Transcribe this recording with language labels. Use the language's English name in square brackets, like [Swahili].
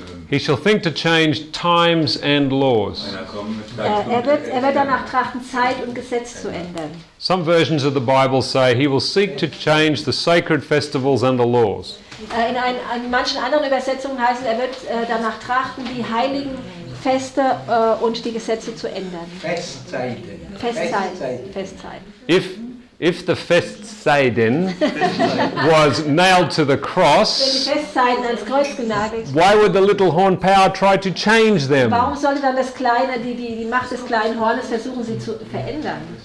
[English] He shall think to change times and laws. [German] Er wird danach trachten, Zeit und Gesetz zu ändern. [English] Some versions of the Bible say he will seek to change the sacred festivals and the laws. [German] In manchen anderen Übersetzungen heißt es, er wird danach trachten, die heiligen Feste und die Gesetze zu ändern. Festzeiten. [English] If the Festzeiten was nailed to the cross, why would the little horn power try to change them? [German] Warum sollte dann das kleine, die Macht des kleinen Hornes versuchen, sie zu verändern?